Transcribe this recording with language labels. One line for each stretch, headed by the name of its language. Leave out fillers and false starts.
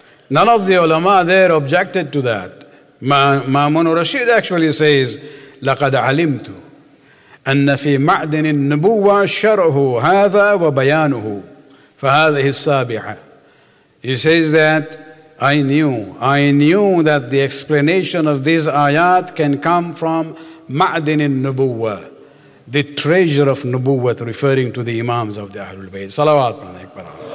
English: None of the ulama there objected to that. Ma'mun Rashid actually says,
Arabic: لَقَدْ عَلِمْتُ. أن في معدن النبوة شرعه هذا وبيانه. فهذه السابعة.
English: He says that I knew that the explanation of these ayat can come from
Arabic: معدن النبوة,
English: the treasure of نبوت, referring to the imams of the Ahlul Bayt.
Arabic: صلوات من أكبر.